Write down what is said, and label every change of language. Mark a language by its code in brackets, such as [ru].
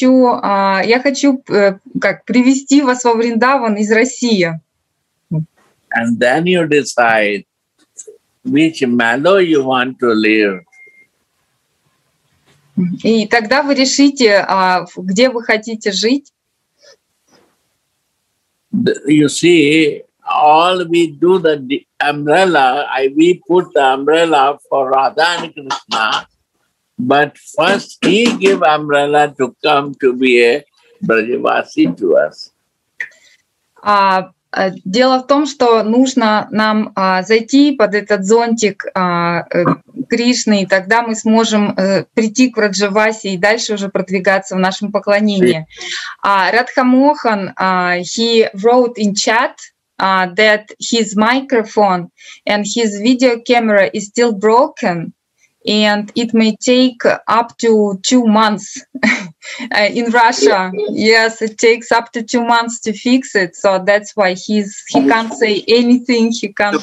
[ru] Я хочу привести вас во Вриндаван из России. [en] And then you decide which mellow you want to live. [ru] И тогда вы решите, где вы хотите жить. [en] You see, all we do the umbrella, we put the umbrella for Radha and Krishna. But first he gave umbrella to come to be a Brajavasi to us. [ru] Дело в том, что нужно нам зайти под этот зонтик Кришны, и тогда мы сможем прийти к Раджаваси и дальше уже продвигаться в нашем поклонении. [en] Radha Mohan, he wrote in chat that his microphone and his video camera is still broken. And it may take up to 2 months in Russia. Yes, it takes up to 2 months to fix it. So that's why he can't say anything. He can't.